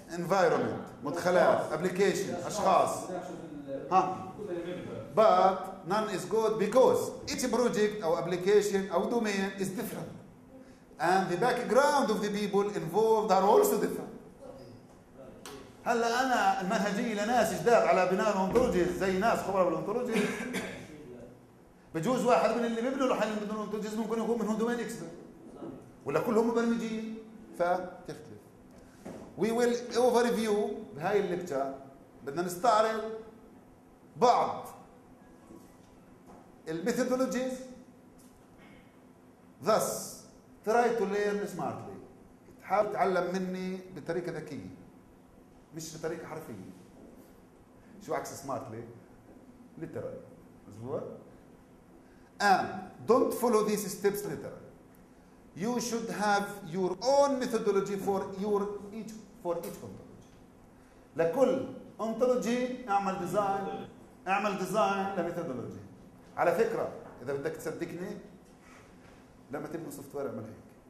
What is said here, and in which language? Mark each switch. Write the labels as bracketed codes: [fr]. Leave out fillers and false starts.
[en] Environment مدخلات application اشخاص ها but none is good because each project or application or domain is different and the background of the people involved are also different. [ar] هلا انا المنهجيه لناس جداد على بناء انتروجيز زي ناس خبره بالانتروجيز بجوز واحد من اللي بيبنوا لحال بدون انتروجيز ممكن يكون منهم دومين اكسبرت ولا كلهم مبرمجين فتختلف. وي ويل اوفر فيو بهاي الليكتشر بدنا نستعرض بعض الميثودولوجيز thus try to learn smartly تحاول تعلم مني بطريقه ذكيه مش بطريقة حرفية. شو عكس smartly؟ literally. [en] مزبوط؟ And don't follow these steps literally. You should have your own methodology for your each for each ontology. [ar] لكل ontology اعمل design اعمل design لميثودولوجي. على فكرة إذا بدك تصدقني لما تبني software اعمل هيك.